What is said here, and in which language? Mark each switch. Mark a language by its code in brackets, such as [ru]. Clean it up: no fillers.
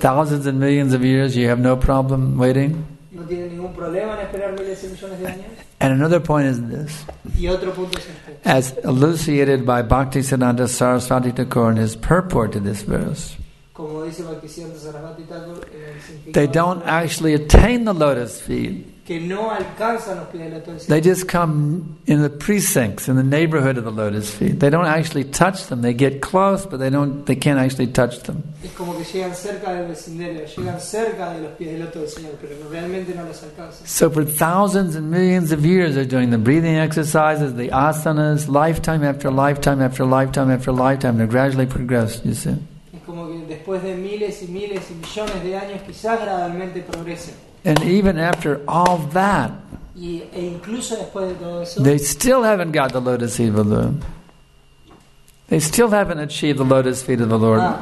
[en] Thousands and millions of years, you have no problem waiting. [es] No tiene ningún problema en esperar miles y millones de años. [en] And another point is this. [es] Y otro punto es este. [en] As elucidated by Bhaktisiddhanta Sarasvati Thakur in his purport to this verse, [es] como dice Bhaktisiddhanta Sarasvati Thakur, [en] they don't actually attain the lotus feet. [es] Que no alcanzan los pies de [en] lotus feet. They just come in the precincts, in the neighborhood of the lotus feet. They don't actually touch them. They get close, but they can't actually touch them. [es] Es como que llegan cerca del vecindario, llegan cerca de los pies del loto del Señor, pero realmente no los alcanzan. [en] So for thousands and millions of years, they're doing the breathing exercises, the asanas, lifetime after lifetime after lifetime after lifetime, they gradually progress, you see. [es] Es como que después de miles y miles y millones de años, quizás gradualmente progresen. [en] And even after all that, [es] y, e incluso después de todo eso, [en] they still haven't got the lotus feet of the Lord. They still haven't achieved the lotus feet of the Lord.